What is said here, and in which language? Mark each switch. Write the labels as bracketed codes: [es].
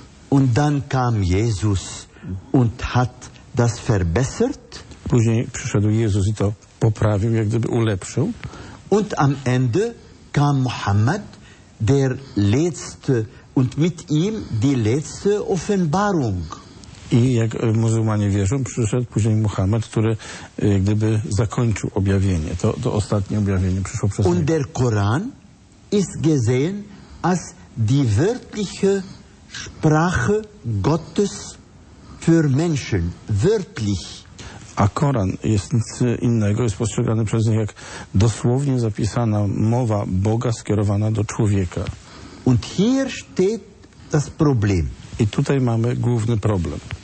[de] Und dann kam Jesus und hat das verbessert. [pl] Później przyszedł Jezus i to poprawił, jak gdyby ulepszył. [de] Und am Ende kam Mohammed, der letzte, und mit ihm die letzte Offenbarung. [pl] I jak muzułmanie wierzą, przyszedł później Mohammed, który jak gdyby zakończył objawienie. To ostatnie objawienie przyszło przez niego. [de] Und der Koran ist gesehen als die wörtliche Sprache Gottes für Menschen. Wörtlich. [pl] A Koran jest nic innego, jest postrzegany przez nich jak dosłownie zapisana mowa Boga skierowana do człowieka. [de] Und hier steht das Problem. [pl] I tutaj mamy główny problem.